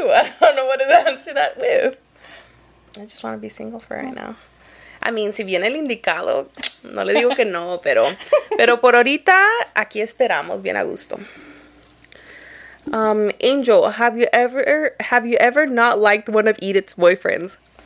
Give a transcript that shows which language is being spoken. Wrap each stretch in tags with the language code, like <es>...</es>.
<en>I don't know what to answer that with. I just want to be single for right now. I mean,</en> <es>si viene el indicado, no le digo que no, pero por ahorita, aquí esperamos bien a gusto.</es> <en>Angel, have you ever not liked one of Edith's boyfriends?</en>